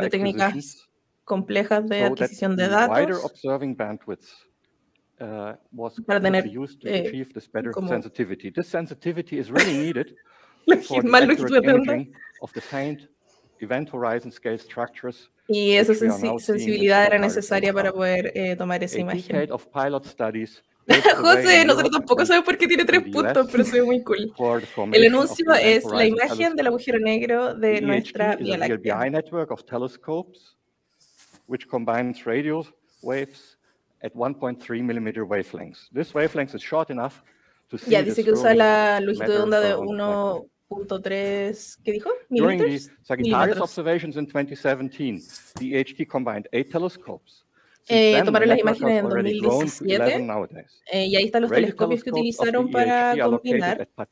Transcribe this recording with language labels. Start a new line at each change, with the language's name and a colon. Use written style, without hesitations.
Spanish: de técnicas complejas de adquisición de datos
English: wider observing bandwidths, was
Spanish: para tener
English: used to achieve this better como sensitivity. This sensitivity is really needed for the faint event horizon scale structures.
Spanish: Y esa sensibilidad era necesaria para poder tomar esa imagen.
English: A decade of pilot studies.
Spanish: José, nosotros tampoco sabemos por qué tiene tres puntos, pero se ve muy cool. El anuncio es la imagen del agujero negro de nuestra Vía Láctea.
English: A network of telescopes which combines radio waves at 1.3 millimeter wavelengths. This wavelength is short enough to see.
Spanish: Ya dice que usa la longitud de onda de 1.3, ¿qué dijo? ¿Milímetros?
English: During the Sagittarius observations in 2017, the EHT combined 8 telescopes.
Spanish: Tomaron las imágenes en 2017 y ahí están los telescopios que utilizaron para combinar.